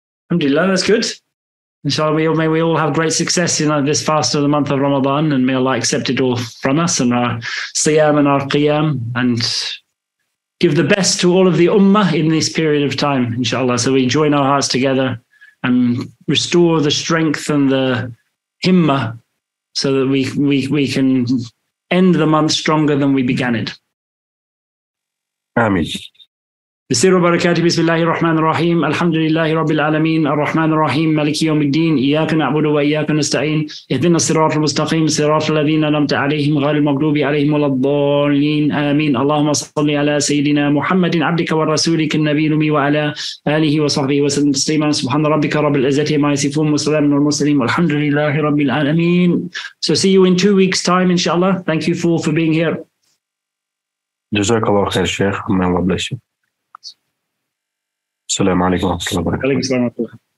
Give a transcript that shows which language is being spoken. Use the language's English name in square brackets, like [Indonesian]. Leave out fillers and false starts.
[English] Alhamdulillah, that's good. Inshallah, may we all have great success in this fast of the month of Ramadan, and may Allah accept it all from us and our siyam and our qiyam, and give the best to all of the ummah in this period of time, inshallah. So we join our hearts together and restore the strength and the himmah so that we can end the month stronger than we began it. Ameen. [Arabic] بسير وبركاته بسم الله الرحمن الرحيم الحمد لله رب العالمين الرحمن الرحيم ملك يوم الدين إياك نعبد وإياك نستعين اهدنا الصراط المستقيم صراط الذين أنعمت عليهم غير المغضوب عليهم ولا الضالين آمين اللهم صل على سيدنا محمد عبدك ورسولك النبي الأمي وعلى آله وصحبه وسلم تسليما سبحان ربك رب العزة عما يصفون وسلام على المرسلين والحمد لله رب العالمين. [English] So see you in 2 weeks time, inshallah. Thank you for being here. [Arabic] جزاك الله خير شيخ. [English] May Allah bless you. [Arabic] السلام عليكم ورحمة الله وبركاته.